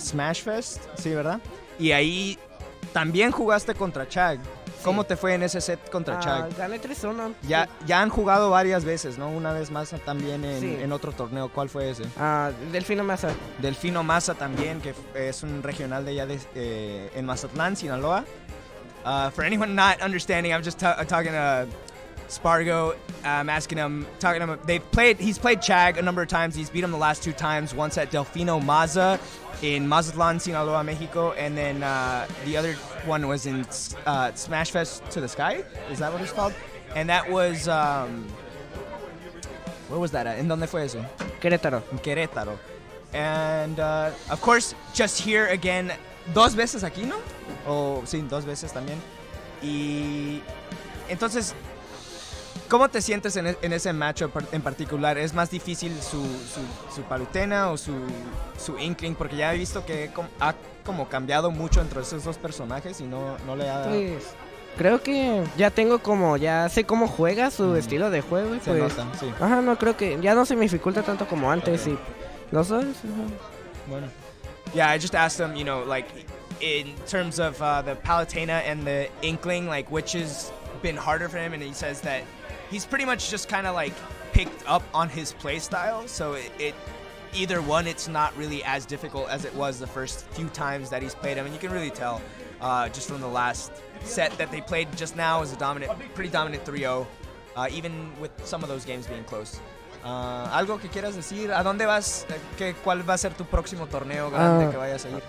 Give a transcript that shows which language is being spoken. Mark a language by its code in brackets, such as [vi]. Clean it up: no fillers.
[es] Smash Fest, sí, ¿verdad? Y ahí también jugaste contra Chag. ¿Cómo te fue en ese set contra Chag? Gané 3-1. Ya han jugado varias veces, ¿no? Una vez más también en otro torneo. ¿Cuál fue ese? Delfino Maza. Delfino Maza también, que es un regional de allá de, en Mazatlán, Sinaloa. [en] For anyone not understanding, I'm just talking to Sparg0. I'm asking him, he's played Chag a number of times. He's beat him the last two times, once at Delfino Maza in Mazatlán, Sinaloa, Mexico, and then the other one was in Smash Fest to the Sky. Is that what it's called? And that was where was that at? [es] ¿En dónde fue eso? Querétaro. Querétaro. [en] And of course, just here again, [es] dos veces aquí, ¿no? Sí, dos veces también. Y entonces, ¿cómo te sientes en ese matchup en particular? ¿Es más difícil su Palutena o su Inkling? Porque ya he visto que ha como cambiado mucho entre esos dos personajes y no le ha dado. Pues, Creo que ya tengo como, ya sé cómo juega su estilo de juego. Se pues, notan, sí. Ajá, no, creo que ya no se me dificulta tanto como antes. Okay. Y no sé. Bueno. [en] Yeah, I just asked him, you know, like, in terms of the Palutena and the Inkling, like, which has been harder for him, and he says that he's pretty much just kind of, like, picked up on his play style, so it either one, it's not really as difficult as it was the first few times that he's played him, and you can really tell just from the last set that they played just now is a dominant, pretty dominant 3-0, even with some of those games being close. [es] Algo que quieras decir, ¿a dónde vas? ¿Cuál va a ser tu próximo torneo grande que vayas a ir?